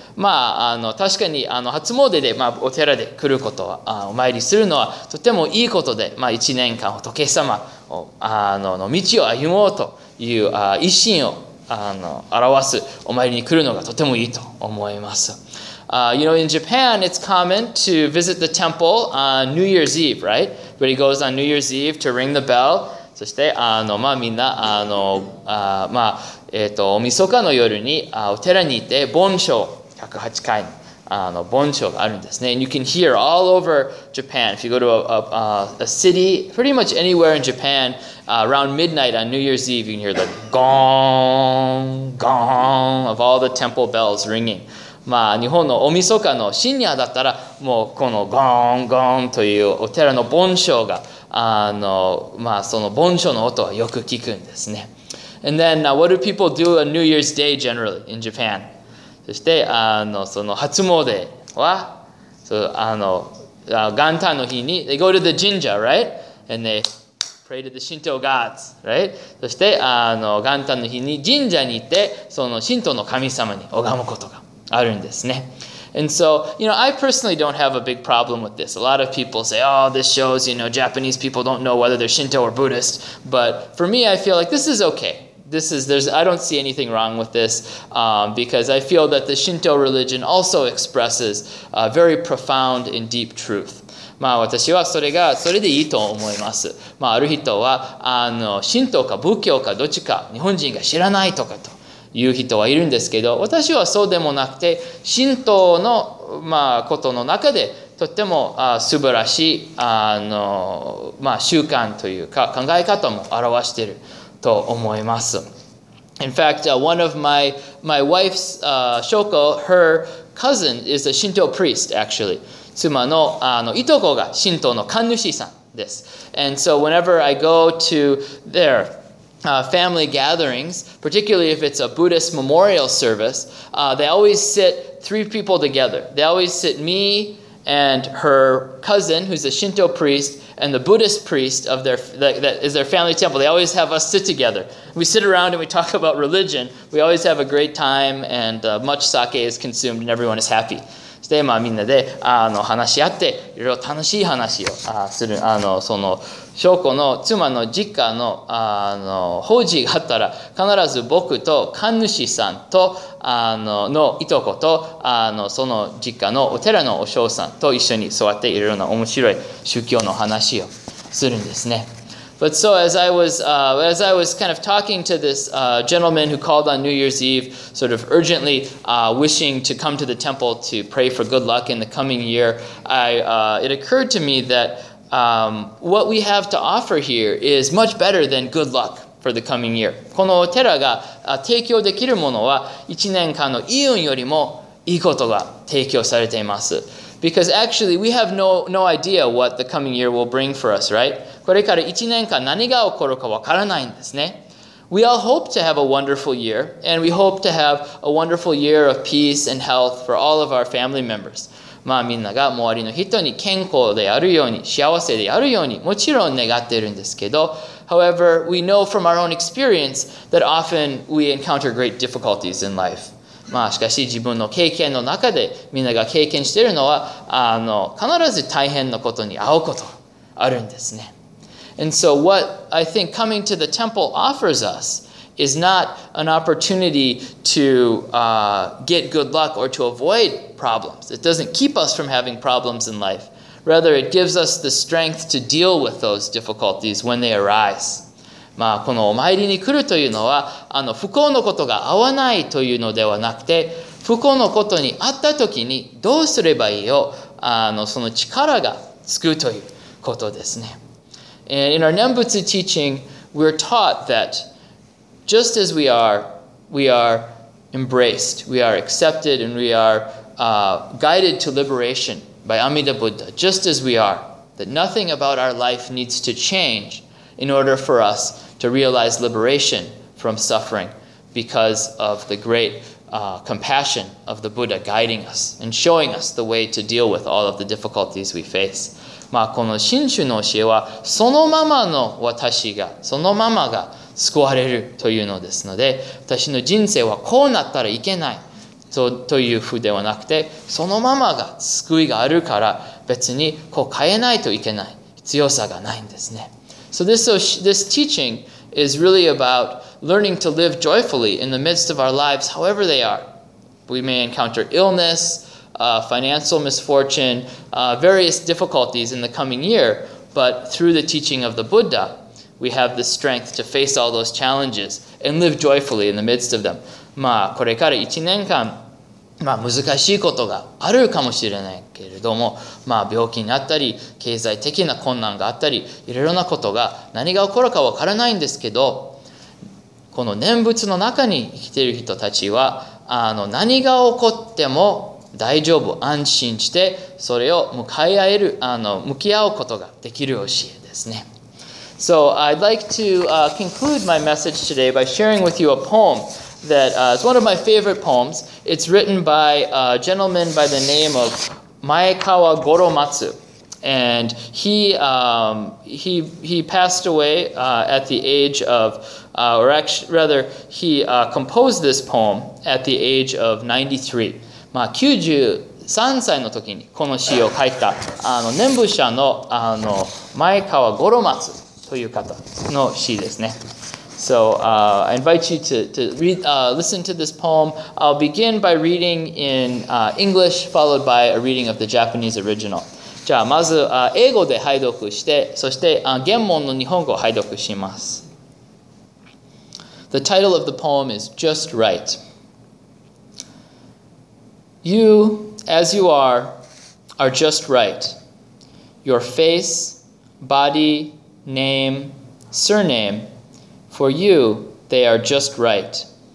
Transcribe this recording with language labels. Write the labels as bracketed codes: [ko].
[ja] まあ、確かに、初詣で、まあ、お寺で来ることは、お参りするのはとてもいいことで、まあ、一年間仏様を、の道を歩もうという、一心を表すお参りに来るのがとてもいいと思います。 [en] You know, in Japan, it's common to visit the temple on New Year's Eve, right? Everybody goes on New Year's Eve to ring the bell. [ja] そして、まあ、みんな、まあ、おみそかの夜に、お寺にいて、盆唱、108回の、盆唱があるんですね。 [en] And you can hear all over Japan. If you go to a city, pretty much anywhere in Japan, around midnight on New Year's Eve, you can hear the gong, gong of all the temple bells ringing. [ja] まあ、日本のおみそかの深夜だったら、もうこのゴンゴンというお寺の盆唱が、まあ、その盆唱の音はよく聞くんですね。 [en] And then, what do people do on New Year's Day generally in Japan? [ja] そして、その初詣は、元旦の日に、 [en] they go to the jinja, right? And they pray to the Shinto gods, right? [ja] そして、元旦の日に神社に行って、その神道の神様に拝むことが。あるんですね。 [en] And so, you know, I personally don't have a big problem with this. A lot of people say, oh, this shows, you know, Japanese people don't know whether they're Shinto or Buddhist. But for me, I feel like this is okay. I don't see anything wrong with this because I feel that the Shinto religion also expresses a very profound and deep truth. [ja] まあ私はそれがそれでいいと思います。まあある人は神道か仏教かどっちか日本人が知らないとかという人はいるんですけど、私はそうでもなくて神道のまあことの中でとっても素晴らしいまあ習慣というか考え方も表していると思います。 [en] In fact, one of my wife's Shoko, her cousin is a Shinto priest actually. [ja] 妻の、いとこが神道の神主さんです。 [en] And so whenever I go to their family gatherings, particularly if it's a Buddhist memorial service, they always sit three people together. They always sit me and her cousin, who's a Shinto priest, and the Buddhist priest of their that is their family temple. They always have us sit together. We sit around and we talk about religion. We always have a great time and much sake is consumed and everyone is happy. [ja] でまあ、みんなで話し合っていろいろ楽しい話をするその証拠の妻の実家 の法事があったら必ず僕と神主さんとのいとことその実家のお寺のお嬢さんと一緒に座っていろいろな面白い宗教の話をするんですね。 [en] But so as I was kind of talking to this gentleman who called on New Year's Eve, sort of urgently wishing to come to the temple to pray for good luck in the coming year, it occurred to me that what we have to offer here is much better than good luck for the coming year. [ja] このお寺が提供できるものは1年間のいい運よりもいいことが提供されています。 [en] Because actually, we have no idea what the coming year will bring for us, right? [ja] これから1年間何が起こるかわからないんですね。 [en] We all hope to have a wonderful year, and we hope to have a wonderful year of peace and health for all of our family members. [ja] まあみんなが周りの人に健康であるように、幸せであるように、もちろん願っているんですけど、 [en] However, we know from our own experience that often we encounter great difficulties in life. [ja] まあ、しかし自分の経験の中でみんなが経験しているのは必ず大変なことに遭うことあるんですね。 [en] And so what I think coming to the temple offers us is not an opportunity to get good luck or to avoid problems. It doesn't keep us from having problems in life. Rather, it gives us the strength to deal with those difficulties when they arise. [ja] まあ、このお参りに来るというのは不幸のことが合わないというのではなくて不幸のことにあった時にどうすればいいよその力がつくということですね。 [en] And in our Nembutsu teaching, we're taught that just as we are embraced, we are accepted, and we are guided to liberation by Amida Buddha, just as we are, that nothing about our life needs to changein order for us to realize liberation from suffering because of the great compassion of the Buddha guiding us and showing us the way to deal with all of the difficulties we face. [ja] まあこの真主の教えはそのままの私がそのままが救われるというのですので私の人生はこうなったらいけないというふうではなくてそのままが救いがあるから別にこう変えないといけない必要さがないんですね。 [en] So this teaching is really about learning to live joyfully in the midst of our lives, however they are. We may encounter illness, financial misfortune, various difficulties in the coming year, but through the teaching of the Buddha, we have the strength to face all those challenges and live joyfully in the midst of them. [ja] まあこれから1年間、まあ難しいことがあるかもしれないけれども、まあ病気になったり、経済的な困難があったり、いろいろなことが何が起こるかわからないんですけど、この念仏の中に生きている人たちは、何が起こっても大丈夫、安心して、それを向かい合える、向き合うことができる教えですね。 [en] So I'd like to conclude my message today by sharing with you a poem. That is one of my favorite poems. It's written by a gentleman by the name of Maekawa Goromatsu, and he passed away at the age of, or actually, rather, he composed this poem at the age of 93. [ja] まあ九十 3歳の時にこの詩を書いた念仏者 の, 前川五郎松という方の詩ですね。 [en] So I invite you to read, listen to this poem. I'll begin by reading in English, followed by a reading of the Japanese original. [ja] じゃあまず英語で拝読して、そして原文の日本語を拝読します。 [en] The title of the poem is Just Right. You, as you are just right. Your face, body, name, surname, for you, they are just right.